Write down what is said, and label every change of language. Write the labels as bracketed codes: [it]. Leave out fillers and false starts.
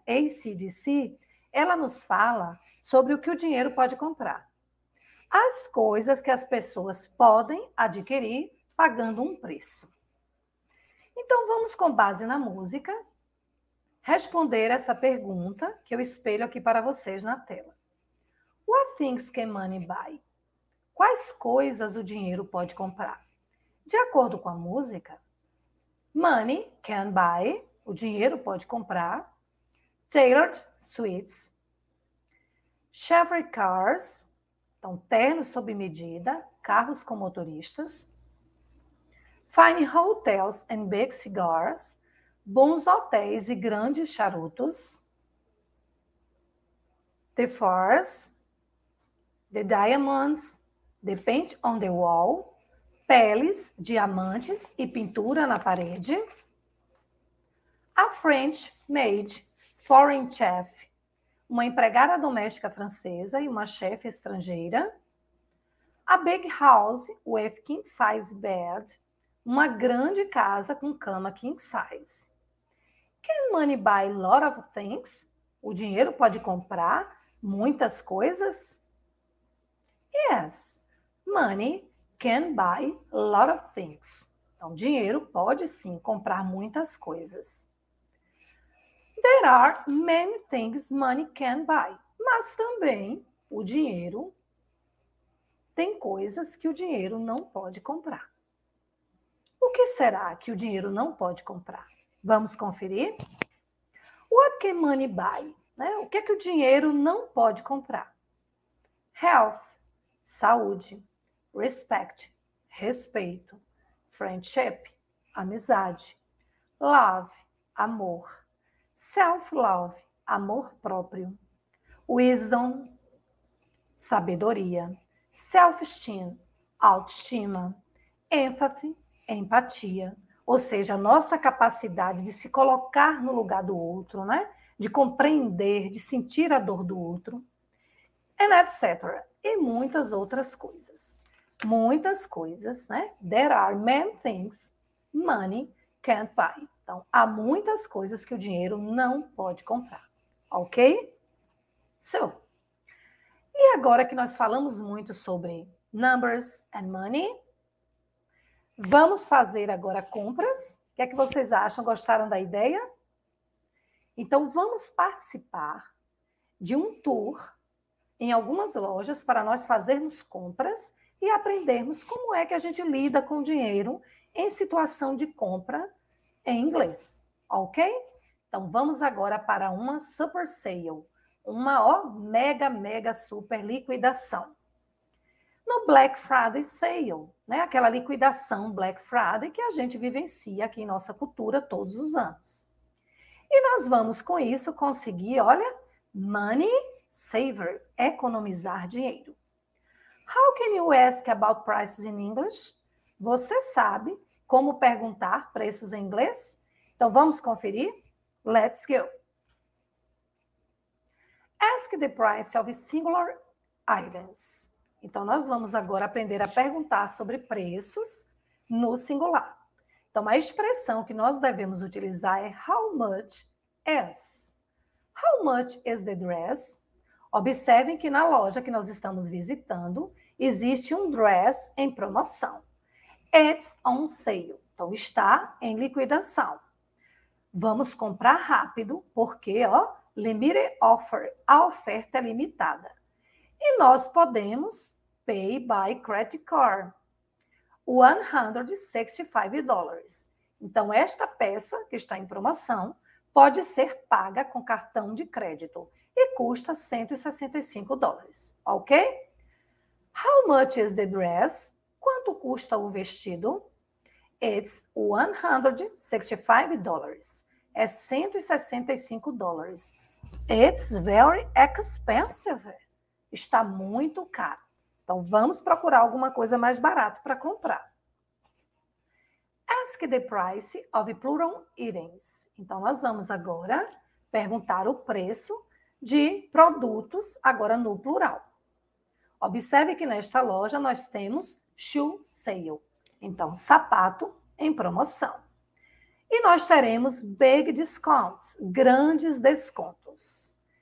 [pt] AC/DC, ela nos fala sobre o que o dinheiro pode comprar. As coisas que as pessoas podem adquirir pagando um preço. Então, vamos, com base na música, responder essa pergunta que eu espelho aqui para vocês na tela. [en] What things can money buy? [pt] Quais coisas o dinheiro pode comprar? De acordo com a música, [en] money can buy, [pt] o dinheiro pode comprar, [en] tailored suits, chauffeur cars, [pt] então ternos sob medida, carros com motoristas, [en] fine hotels and big cigars, [pt] bons hotéis e grandes charutos, [en] the furs, the diamonds, the paint on the wall, [pt] peles, diamantes e pintura na parede, [en] a French maid, foreign chef, [pt] uma empregada doméstica francesa e uma chefe estrangeira, [en] a big house with king size bed, [pt] uma grande casa com cama king size. [en] Can money buy a lot of things? [pt] O dinheiro pode comprar muitas coisas? [en] Yes, money can buy a lot of things. [pt] Então, dinheiro pode sim comprar muitas coisas. [en] there are many things money can buy. [pt] Mas também o dinheiro tem coisas que o dinheiro não pode comprar. O que será que o dinheiro não pode comprar? Vamos conferir? [en] What can money buy? [pt] Né? O que é que o dinheiro não pode comprar? Health, saúde. Respect, respeito. Friendship, amizade. Love, amor. Self-love, amor próprio. Wisdom, sabedoria. Self-esteem, autoestima. Empathy, empatia. Ou seja, a nossa capacidade de se colocar no lugar do outro, né? De compreender, de sentir a dor do outro. And etc. E muitas outras coisas. Muitas coisas, né? [en] There are many things money can't buy. [pt] Então, há muitas coisas que o dinheiro não pode comprar. Ok? So, e agora que nós falamos muito sobre [en] numbers and money, [pt] vamos fazer agora compras. O que é que vocês acham? Gostaram da ideia? Então, vamos participar de um tour em algumas lojas para nós fazermos compras e aprendermos como é que a gente lida com dinheiro em situação de compra em inglês, ok? Então vamos agora para uma super sale, uma mega super liquidação. No Black Friday sale, né? Aquela liquidação Black Friday que a gente vivencia aqui em nossa cultura todos os anos. E nós vamos com isso conseguir, olha, money saver, economizar dinheiro. [en] How can you ask about prices in English? [pt] Você sabe como perguntar preços em inglês? Então vamos conferir? [en] Let's go. Ask the price of singular items. [pt] Então nós vamos agora aprender a perguntar sobre preços no singular. Então a expressão que nós devemos utilizar é [en] how much is? How much is the dress? [pt] Observem que na loja que nós estamos visitando existe um dress em promoção. [en] It's on sale. [pt] Então está em liquidação. Vamos comprar rápido, porque, ó, [en] limited offer, [pt] a oferta é limitada. E nós podemos [en] pay by credit card, [pt] $165. Então, esta peça que está em promoção pode ser paga com cartão de crédito e custa $165, ok? [en] How much is the dress? [pt] Quanto custa o vestido? [en] It's $165. [pt] É $165. [en] It's very expensive. [pt] Está muito caro. Então vamos procurar alguma coisa mais barata para comprar. [en] Ask the price of plural items. [pt] Então nós vamos agora perguntar o preço de produtos, agora no plural. Observe que nesta loja nós temos shoe sale. Então, sapato em promoção. E nós teremos [en] big discounts, [pt] grandes descontos.